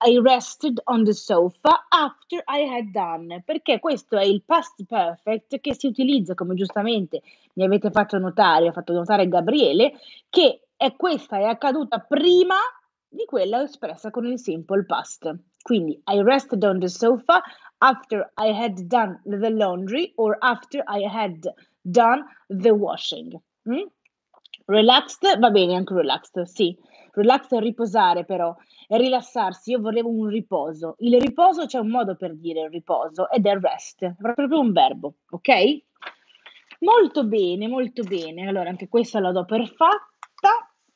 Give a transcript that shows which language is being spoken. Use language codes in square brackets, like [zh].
[it] I rested on the sofa after I had done, perché questo è il past perfect che si utilizza, come giustamente mi avete fatto notare, ha fatto notare Gabriele, che è questa, è accaduta prima quella espressa con il simple past. [en] Quindi, I rested on the sofa after I had done the laundry or after I had done the washing. Mm? [it] Relaxed, va bene anche relaxed, sì. Relaxed è riposare però, è rilassarsi, io volevo un riposo. Il riposo, c'è un modo per dire il riposo, ed è rest, proprio un verbo, ok? Molto bene, molto bene. Allora, anche questa la do per fatta.